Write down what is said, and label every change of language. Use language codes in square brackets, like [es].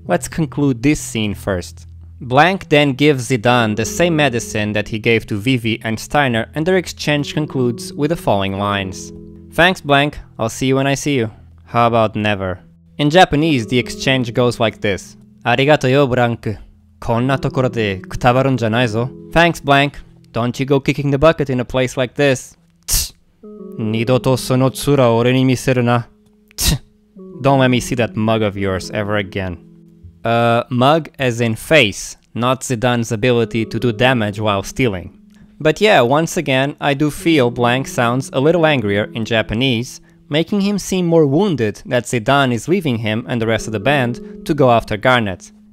[en] Let's conclude this scene first. Blank then gives Zidane the same medicine that he gave to Vivi and Steiner, and their exchange concludes with the following lines. Thanks, Blank. I'll see you when I see you. How about never? In Japanese, the exchange goes like this. [ja] Arigato yo, Blank. Konna tokoro de kutabaru n janai zo. [en] Thanks, Blank. Don't you go kicking the bucket in a place like this. Tch. [ja] Nido to sono tsura ore ni miseru na. Tch. [en] Don't let me see that mug of yours ever again. Mug as in face, not Zidane's ability to do damage while stealing. But yeah, once again, I do feel blank sounds a little angrier in Japanese, making him seem more wounded that Zidane is leaving him and the rest of the band to go after Garnet.